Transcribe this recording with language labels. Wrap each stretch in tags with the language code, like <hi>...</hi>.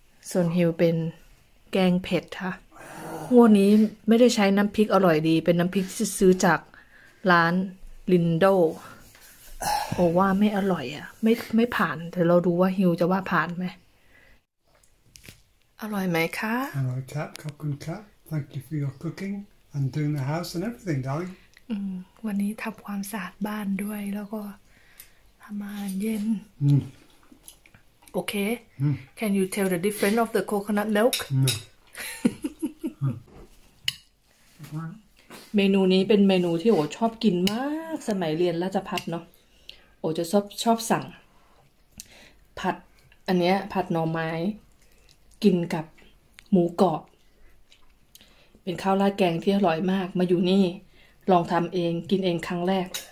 <th>ส่วนฮิวเป็นแกงเผ็ดค่ะวันนี้ไม่ได้ใช้น้ำพริกอร่อยดีเป็นน้ำพริกที่ซื้อจากร้านลินโดโอว่าไม่อร่อยอ่ะไม่ผ่านเดี๋ยวเราดูว่าฮิวจะว่าผ่านไหมอร่อยไหมคะ อร่อยครับขอบคุณครับ</th> <en>thank you for your cooking and doing the house and everything darling</en> <th>วันนี้ทำความสะอาดบ้านด้วยแล้วก็ทำอาหารเย็นโอเค</th> <en>can you tell the difference of the coconut milk</en> <th>เมนูนี้เป็นเมนูที่โอชอบกินมากสมัยเรียนราชภัฏเนาะโอจะชอบสั่งผัดอันเนี้ยผัดหน่อไม้กินกับหมูกรอบเป็นข้าวราดแกงที่อร่อยมากมาอยู่นี่ลองทำเองกินเองครั้งแรก</th>